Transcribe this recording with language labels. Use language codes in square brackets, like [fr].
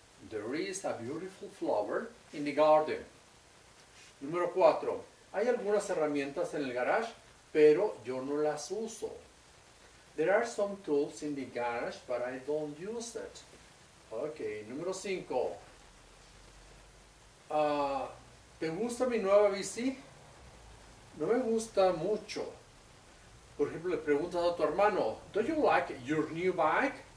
[en] There is a beautiful flower in the garden. [es] Número 4. Hay algunas herramientas en el garage, pero yo no las uso. [en] There are some tools in the garage, but I don't use it. [es] Ok, número 5. ¿Te gusta mi nueva bici? No me gusta mucho. Por ejemplo, le preguntas a tu hermano, [en] do you like your new bike?